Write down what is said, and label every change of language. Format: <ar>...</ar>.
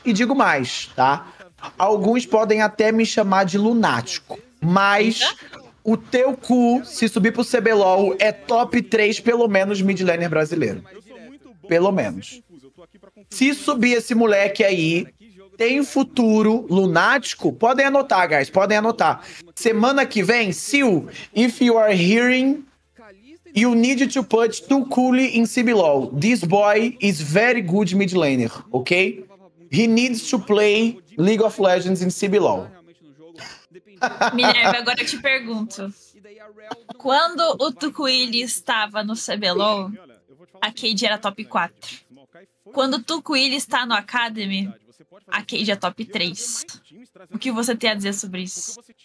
<pt>E digo mais, tá? Alguns podem até me chamar de lunático, mas... O teu cu, se subir pro CBLOL, é top 3, pelo menos, midlaner brasileiro. Pelo menos. Se subir esse moleque aí, tem futuro lunático? Podem anotar, guys, podem anotar. Semana que vem, Sil,</pt> <en>if you are hearing, you need to put too cool in CBLOL. This boy is very good midlaner, ok? He needs to play League of Legends in CBLOL.</en> <pt>Minerva, agora eu te pergunto. Quando o Tukulli estava no CBLOL, a Cade era top 4. Quando o Tukulli está no Academy, a Cade é top 3. O que você tem a dizer sobre isso?</pt>